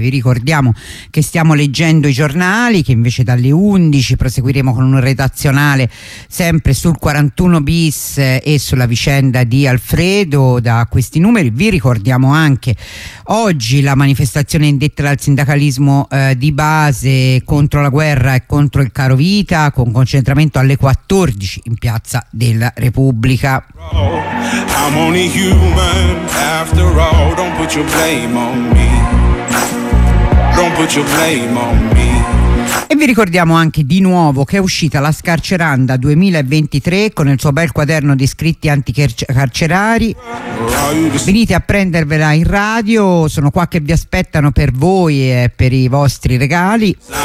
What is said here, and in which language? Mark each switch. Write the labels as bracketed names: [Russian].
[Italian] Vi ricordiamo che stiamo leggendo i giornali, che invece dalle 11 proseguiremo con un redazionale sempre sul 41 bis e sulla vicenda di Alfredo. Da questi numeri vi ricordiamo anche oggi la manifestazione indetta dal sindacalismo di base contro la guerra e contro il caro vita, con concentramento alle 14 in Piazza della Repubblica. [English] I'm only human after all. Don't put your blame on me. Don't put your blame on me. [Italian] E vi ricordiamo anche di nuovo che è uscita La Scarceranda 2023 con il suo bel quaderno di scritti anticarcerari. Venite a prendervela in radio, sono qua che vi aspettano per voi e per i vostri regali.